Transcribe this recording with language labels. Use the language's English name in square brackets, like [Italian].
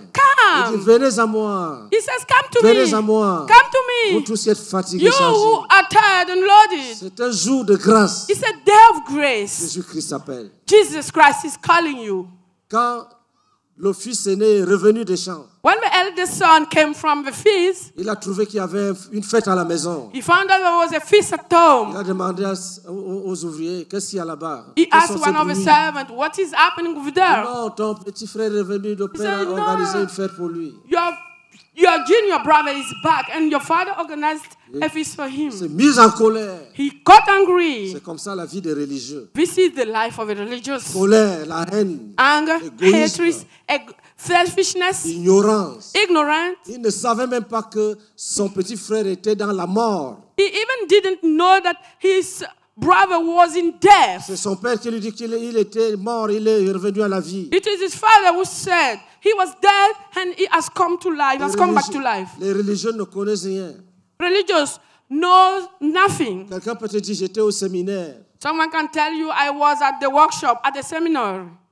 [English] Come. [French] Il dit, venez à moi. [English] He says, come to [French] venez [English] me. [French] À moi. [English] Come to me. [French] Vous tous qui êtes fatigués, [English] you [French] chargés. [English] Who are tired and loaded. [French] C'est un jour de grâce. [English] It's a day of grace. [French] Jésus-Christ appelle. [English] Jesus Christ is calling you. [French] Quand le fils aîné est revenu des champs. [English] When the eldest son came from the feast, [French] il a trouvé qu'il y avait une fête à la maison. [English] He found out there was a feast at home. [French] Il a demandé aux ouvriers, qu'est-ce qu'il y a là-bas? [English] He asked one of the servants, what is happening over there? [French] Non, ton petit frère est revenu, le père [English] said, [French] a organisé une fête pour lui. [English] Your junior brother is back and your father organized a feast for him. [French] Il s'est mis en colère. [English] He got angry. [French] C'est comme ça la vie des religieux. [English] This is the life of a religious. [French] Colère, la haine, [English] anger, [French] égoïsme, [English] hatred, selfishness, [French] ignorance. [English] Ignorant. [French] Il ne savait même pas que son petit frère était dans la mort. [English] He even didn't know that his brother was in death. [French] C'est son père qui lui dit qu'il était mort, il est revenu à la vie. [English] It is his father who said he was dead and he has come to life, has come back to life. [French] Les religieux ne connaissent rien. [English] Religious know nothing. [French] Quelqu'un peut te dire j'étais au séminaire. [English] Someone can tell you I was at the workshop, at the seminar.